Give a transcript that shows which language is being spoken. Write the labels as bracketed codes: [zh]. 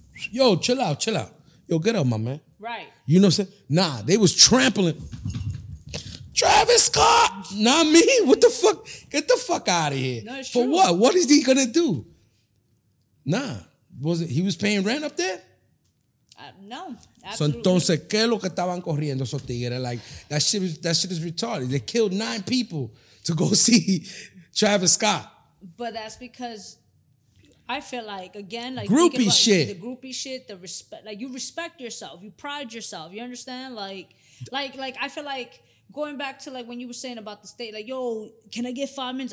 [en] Yo, chill out. Yo, get up, my man. Right. You know what I'm saying? Nah, they was trampling. Travis Scott! Not me. What the fuck? Get the fuck out of here. No, it's for true. What? What is he gonna do? Nah. Was it he was paying rent up there? No. So [es] entonces, ¿qué es lo que estaban corriendo esos tigres? [en] Like, that shit is retarded. They killed 9 people to go see Travis Scott. But that's because I feel like, again, like groupie shit. The groupie shit, the respect, like you respect yourself, you pride yourself, you understand? Like I feel like going back to like when you were saying about the state, like, yo, can I get 5 minutes?